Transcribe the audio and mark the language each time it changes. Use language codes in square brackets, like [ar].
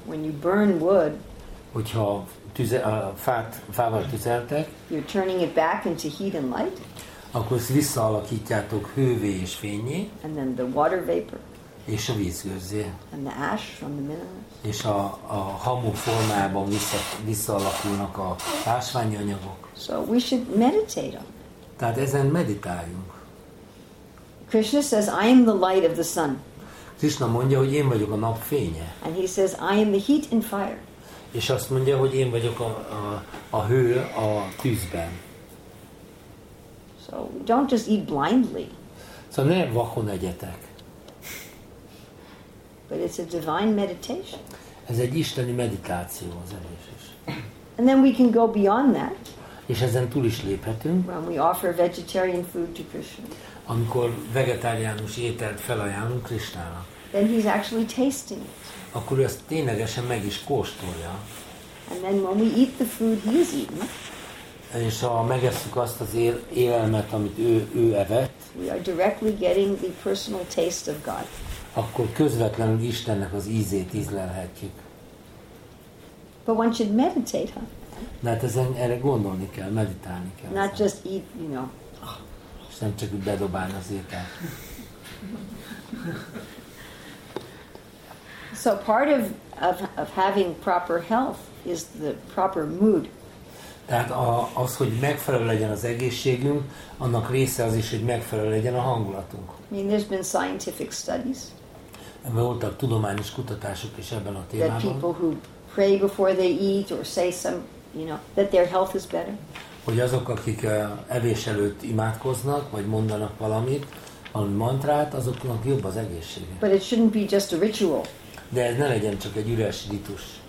[en] When you burn wood, [hu] hogyha fával tüzeltek, [en] you're turning it back into heat and light. [hu] Akkor ezt visszaalakítjátok hővé és fényé. [en] And then the water vapor. [hu] És a vízgőzzé. [en] And the ash from the minerals. [hu] És a hamu formában visszaalakulnak a ásványi anyagok. [en] So we should meditate on that. [hu] Tehát ezen meditáljunk. [en] Krishna says, I am the light of the sun. [hu] Krishna mondja, hogy én vagyok a nap fénye. [en] And he says, I am the heat and fire. [hu] És azt mondja, hogy én vagyok a hő a tűzben. [en] So don't just eat blindly. [hu] Szóval ne vakon egyetek. [en] But it's a divine meditation. [hu] Ez egy isteni meditáció az evés is. [en] And then we can go beyond that. [hu] És ezen túl is léphetünk. [en] When we offer vegetarian food to Krishna. [hu] Amikor vegetáriánus ételt felajánlunk Krishnának. [en] Then he's actually tasting it. [hu] Akkor ő ezt ténylegesen meg is kóstolja. [en] And then when we eat the food he's eaten. [hu] És ha megesszük azt az élelmet, amit ő evett. [en] We are directly getting the personal taste of God. [hu] Akkor közvetlenül Istennek az ízét ízlelhetjük. [en] But one should meditate, huh? [hu] De hát ezen erre gondolni kell, meditálni kell. [en] Not ezen. Just eat, you know. [hu] És nem csak úgy bedobálni az ételt. [en] So part of having proper health is the proper mood. [hu] Tehát az, hogy megfelelő legyen az egészségünk, annak része az is, hogy megfelelő legyen a hangulatunk. [en] I mean, there's been scientific studies. [hu] Voltak tudományos kutatások is ebben a témában. [en] That people who pray before they eat or say some, you know, that their health is better. [hu] Hogy azok, akik evés előtt imádkoznak, vagy mondanak valami mantrát, azoknak jobb az egészsége. [en] But it shouldn't be just a ritual. [hu] De ez ne legyen csak egy üres ritus.